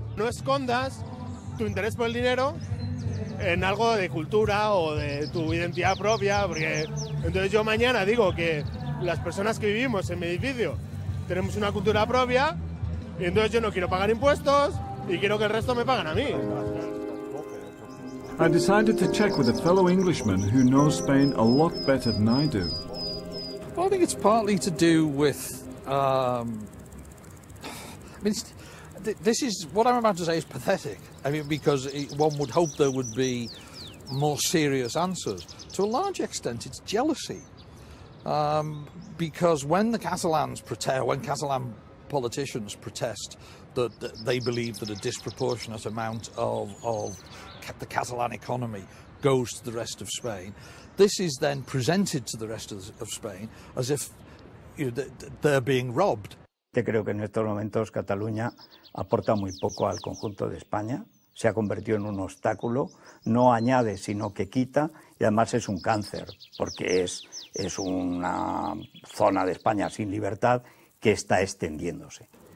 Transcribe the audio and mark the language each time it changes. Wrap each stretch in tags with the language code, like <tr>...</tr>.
<es>No escondas tu interés por el dinero en algo de cultura o de tu identidad propia, porque entonces yo mañana digo que las personas que vivimos en mi edificio tenemos una cultura propia y entonces yo no quiero pagar impuestos y quiero que el resto me paguen a mí.</es> <en>I decided to check with a fellow Englishman who knows Spain a lot better than I do. I think it's partly to do with, I mean, this is, what I'm about to say is pathetic. I mean, because one would hope there would be more serious answers. To a large extent, it's jealousy. Because when the Catalans protest, when Catalan politicians protest that they believe that a disproportionate amount of the Catalan economy goes to the rest of Spain, this is then presented to the rest of Spain as if, you know, they're being robbed.</en> <es>Yo creo que en estos momentos Cataluña aporta muy poco al conjunto de España, se ha convertido en un obstáculo, no añade sino que quita, y además es un cáncer, porque es una zona de España sin libertad que está extendiéndose.</es>